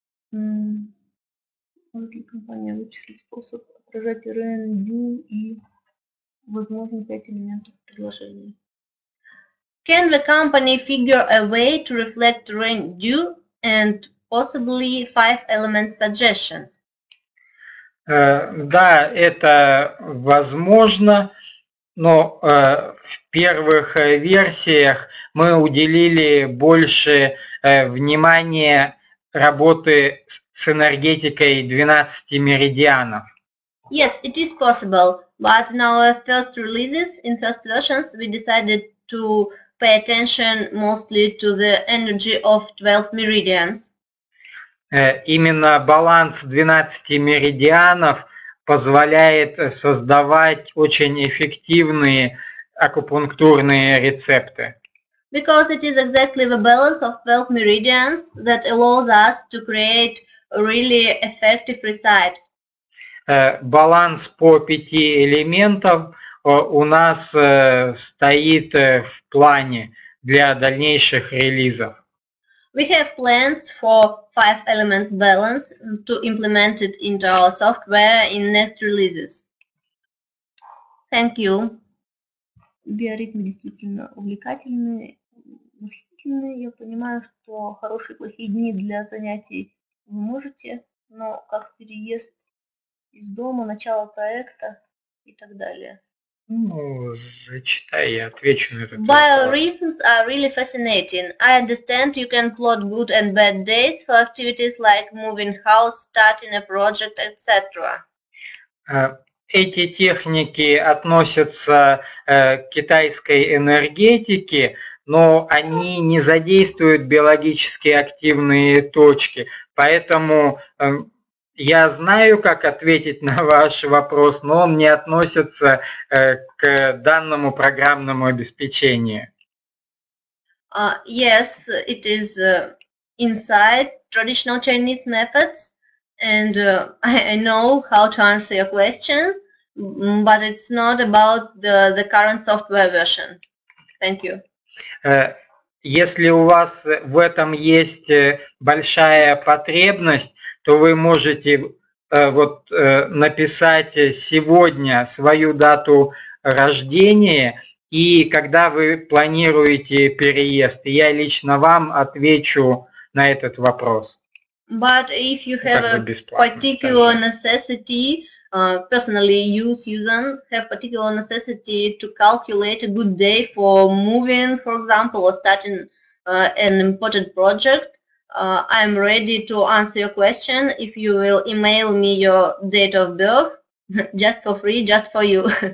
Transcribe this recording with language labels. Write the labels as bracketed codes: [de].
[ru] Может ли компания вычислить способ отражать RNU и возможно 5 элементов предложения? [en] Can the company figure a way to reflect RNU and possibly five element suggestions? [ru] Да, это возможно, но в первых версиях мы уделили больше внимания работы с энергетикой 12 меридианов. [en] Yes, it is possible, but in our first releases, in first versions, we decided to pay attention mostly to the energy of 12 meridians. [ru] Именно баланс 12 меридианов позволяет создавать очень эффективные акупунктурные рецепты. [en] Because it is exactly the balance of 12 meridians that allows us to create really effective recipes. [ru] Баланс по пяти элементам у нас стоит в плане для дальнейших релизов. [en] We have plans for five elements balance to implement it into our software in next releases. Thank you. [ru] Биоритмы действительно увлекательные, восхитительные. Я понимаю, что хорошие плохие дни для занятий вы можете, но как переезд из дома, начало проекта и так далее. Ну, зачитай, я отвечу на этот вопрос. [en] Biorhythms are really fascinating. I understand you can plot good and bad days for activities like moving house, starting a project, etc. [ru] Эти техники относятся к китайской энергетике, но они не задействуют биологически активные точки. Поэтому я знаю, как ответить на ваш вопрос, но он не относится к данному программному обеспечению. [en] Yes, it is inside traditional Chinese methods, and I know how to answer your question, but it's not about the current software version. Thank you. [ru] Если у вас в этом есть большая потребность, то вы можете написать сегодня свою дату рождения и когда вы планируете переезд. Я лично вам отвечу на этот вопрос. [en] But if you have a particular necessity, personally you, Susan, have particular necessity to calculate a good day for moving, for example, or starting an important project, I'm ready to answer your question if you will email me your date of birth just for free, just for you.